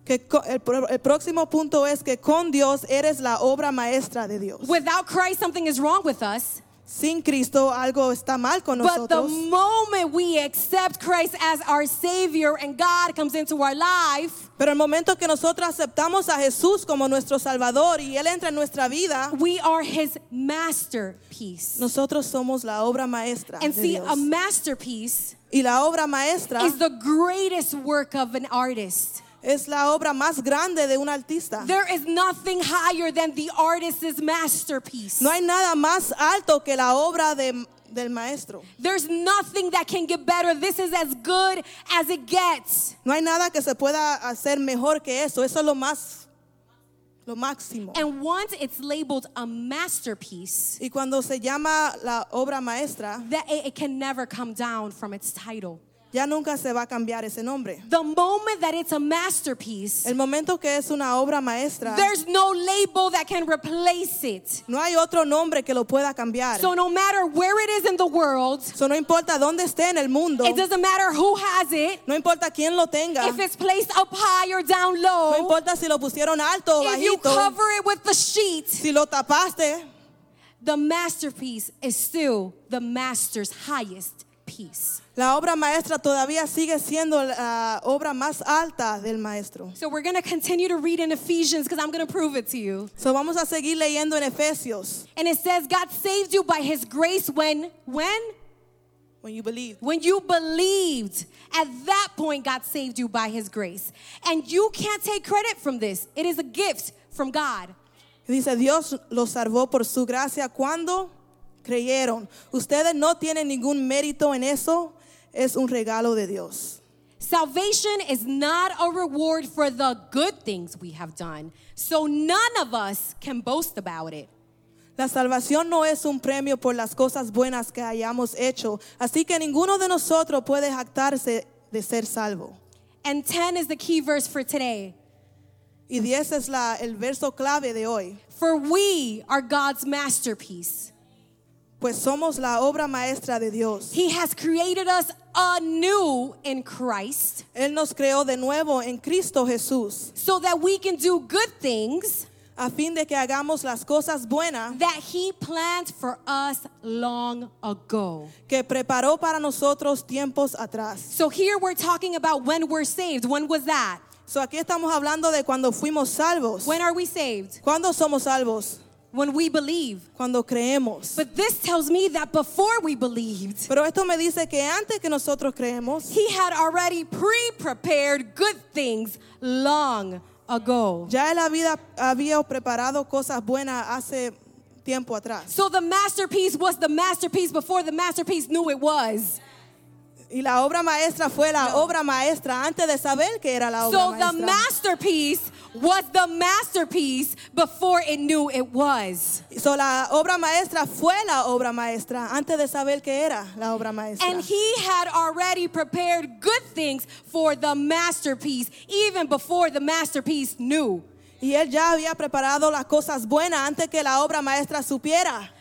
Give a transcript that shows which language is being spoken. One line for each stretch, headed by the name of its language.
Spanish: El próximo punto es que con Dios eres la obra maestra de Dios.
English: Without Christ, something is wrong with us.
Spanish: Sin Cristo, algo está mal con nosotros.
English: But the moment we accept Christ as our Savior and God comes into our life,
Spanish: pero el momento que nosotros aceptamos a Jesús como nuestro Salvador y Él entra en nuestra vida,
English: we are His masterpiece.
Spanish: Nosotros somos la obra maestra
English: and
Spanish: de
English: see,
Spanish: Dios.
English: A masterpiece,
Spanish: y la obra maestra,
English: is the greatest work of an artist.
Spanish: Es la obra más grande de un artista.
English: There is nothing higher than the artist's masterpiece.
Spanish: No hay nada más alto que la obra del maestro.
English: There's nothing that can get better. This is as good as it gets.
Spanish: No hay nada que se pueda hacer mejor que eso. Eso es lo máximo.
English: And once it's labeled a masterpiece,
Spanish: y cuando se llama la obra maestra,
English: that it can never come down from its title.
Spanish: Ya nunca se va a cambiar ese nombre.
English: The moment that it's a masterpiece,
Spanish: el momento que es una obra maestra,
English: there's no label that can replace it.
Spanish: No hay otro nombre que lo pueda cambiar.
English: So no matter where it is in the world,
Spanish: so no importa dónde esté en el mundo,
English: it doesn't matter who has it,
Spanish: no importa quién lo tenga,
English: if it's placed up high or down low,
Spanish: no importa si lo pusieron alto o
English: if
Spanish: bajito,
English: you cover it with the sheet,
Spanish: si lo tapaste,
English: the masterpiece is still the master's highest piece.
Spanish: La obra maestra todavía sigue siendo la obra más alta del maestro.
English: So we're going to continue to read in Ephesians because I'm going to prove it to you.
Spanish: So vamos a seguir leyendo en Efesios.
English: And it says, God saved you by His grace when? When you believed. When you believed. At that point, God saved you by His grace. And you can't take credit from this. It is a gift from God.
Spanish: Dice, Dios lo salvó por su gracia cuando creyeron. Ustedes no tienen ningún mérito en eso. Es un regalo de Dios.
English: Salvation is not a reward for the good things we have done, so none of us can boast about it.
Spanish: La salvación no es un premio por las cosas buenas que hayamos hecho, así que ninguno de nosotros puede jactarse de ser salvo.
English: And 10 is the key verse for today.
Spanish: Y 10 es el verso clave de hoy.
English: For we are God's masterpiece.
Spanish: Pues somos la obra maestra de Dios.
English: He has created us anew in Christ.
Spanish: Él nos creó de nuevo en Cristo Jesús.
English: So that we can do good things.
Spanish: A fin de que hagamos las cosas buenas.
English: That He planned for us long ago.
Spanish: Que preparó para nosotros tiempos atrás.
English: So here we're talking about when we're saved. When was that?
Spanish: So aquí estamos hablando de cuando fuimos salvos.
English: When are we saved?
Spanish: ¿Cuándo somos salvos?
English: when we believe.
Spanish: Cuando creemos.
English: But this tells me that before we believed,
Spanish: pero esto me dice que antes que nosotros creemos,
English: he had already pre-prepared good things long ago.
Spanish: Ya él había preparado cosas buenas hace tiempo atrás.
English: So the masterpiece was the masterpiece before the masterpiece knew it was.
Spanish: Y la obra maestra fue la obra maestra antes de saber que era la obra maestra.
English: So the masterpiece was the masterpiece before it knew it was.
Spanish: So la obra maestra fue la obra maestra antes de saber que era la obra maestra.
English: And he had already prepared good things for the masterpiece even before the masterpiece knew.
Spanish: Y él ya había preparado las cosas buenas antes que la obra maestra supiera.